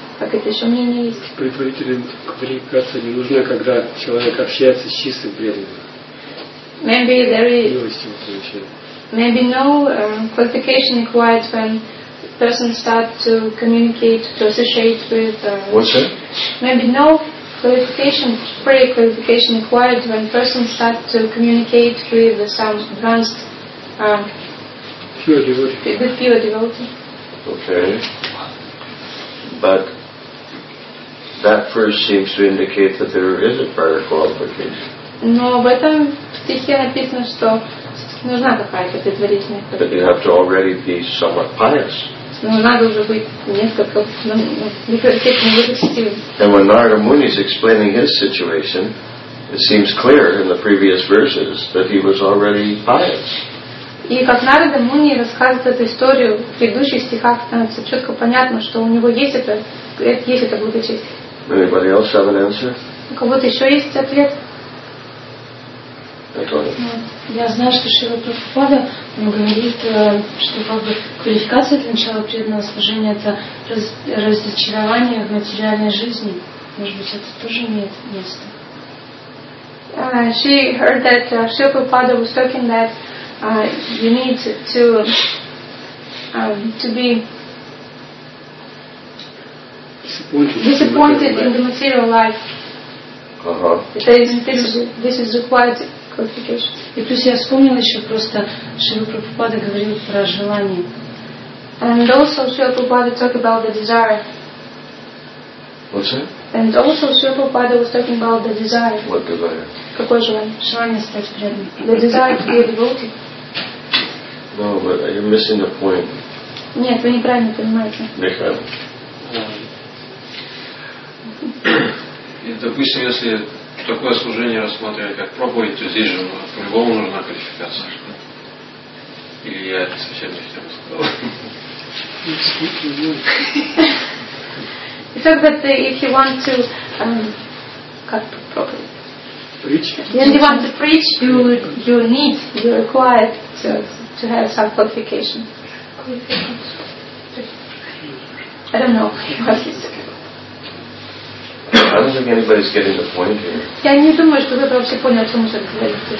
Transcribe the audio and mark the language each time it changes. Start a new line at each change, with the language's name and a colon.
Russian: Квалификация не нужна, когда человек общается с чистым преданным.
English: Maybe there is. Maybe no qualification required when person start to communicate, to associate with. What's that? Maybe no qualification, pre-qualification required when person start to communicate with some advanced. Pure devotee. With pure devotee. Okay, but that verse seems to indicate that there is a prior qualification.
Russian: Но в этом стихе написано, что нужна какая-то предварительная.
English: That you have to already be somewhat pious.
Russian: Но надо уже быть несколько некорректно выглядеть.
English: And when Narada Muni is explaining his situation, it seems clear in the previous verses that he was already pious.
Russian: И как Нарада Муни рассказывает эту историю в предыдущих стихах, становится четко понятно, что у него есть это благочестие.
English: Anybody else have an answer?
Russian: У кого-то еще есть ответ? Я знаю, что Шрила Прабхупада говорит, что квалификация для начала преданного служения — это разочарование в материальной жизни. Может быть, это тоже имеет место?
English: She heard that Шрила Прабхупада was talking that you need to be disappointed in the material life. This is required qualification.
Russian: И плюс я вспомнила еще просто, Шрила Прабхупада говорил про желание.
English: And also Шрила Прабхупада talk about the desire. What's that? And also Шрила Прабхупада was talking about the desire. What desire?
Russian: Какое желание? Желание стать преданным.
English: The desire to be a devotee. No, but you're missing the point.
Russian: Нет, вы неправильно понимаете. Михаил. Допустим, если такое служение рассматривать как проповедь, то здесь же по-любому нужна квалификация. Или я это совсем не всем сказал?
English: So, but if you want to,
Russian: как проповедь?
English: Preach. If you want to preach, you require to have some qualification. I don't know what it's. I don't think anybody's getting the point here.
Russian: Я не думаю, что вы вообще поняли, о чем мы говорили.